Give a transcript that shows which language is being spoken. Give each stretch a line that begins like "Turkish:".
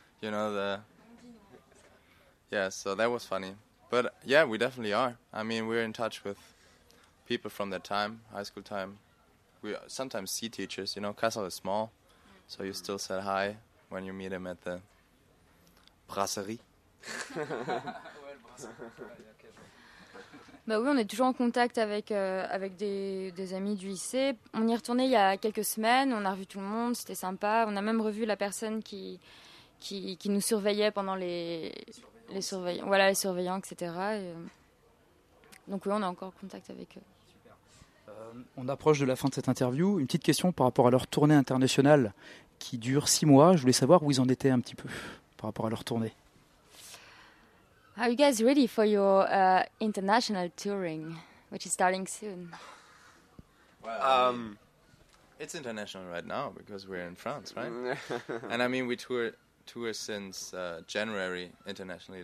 English: You know the. Yeah, so that was funny. But yeah, we definitely are. I mean, we're in touch with people from that time, high school time. We sometimes see teachers, you know, Kassel is small, so you still say hi when you meet him at the brasserie.
French: Bah oui, on est toujours en contact avec des amis du lycée. On y est retourné il y a quelques semaines, on a revu tout le monde, c'était sympa. On a même revu la personne qui nous surveillait pendant les surveillants, etc. Donc oui, on est encore en contact avec eux. On approche de la fin de cette interview. Une petite question par rapport à leur tournée internationale qui dure 6 mois. Je voulais savoir où ils en étaient un petit peu par rapport à leur tournée.
English: Are you guys ready for your international touring, which is starting soon? Well, it's international right now because we're in France, right? And I mean, we tour since January internationally.